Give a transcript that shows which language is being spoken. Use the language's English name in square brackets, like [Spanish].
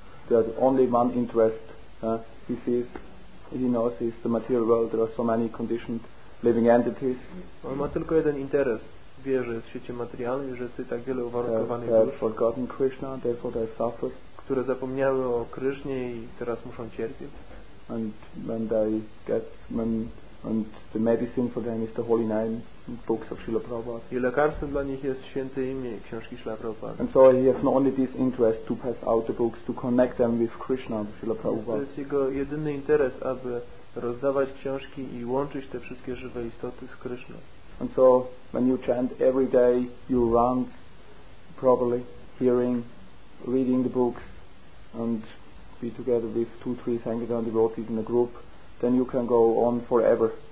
[English] There's only one interest. He sees, he knows, is the material world. There are so many conditioned living entities. [Polish] On ma tylko jeden interes. Wie, że jest w świecie materialnym, że jest tak wiele uwarunkowanych dusz. [English] They've forgotten Krishna, therefore they suffer. [Polish] Które zapomniały o Krysznie i teraz muszą cierpieć. [English] And when they get and the medicine for them is the holy name, books of Srila Prabhupada. [Polish] I lekarstwem dla nich jest święte imię, książki Srila Prabhupada. [English] And so he has not only this interest to pass out the books, to connect them with Krishna, Srila Prabhupada. [Polish] To jest jego jedyny interes, aby rozdawać książki i łączyć te wszystkie żywe istoty z Krishna. [English] And so when you chant every day, you run probably hearing, reading the books and be together with 2-3 Sankirtan devotees in a group, then you can go on forever.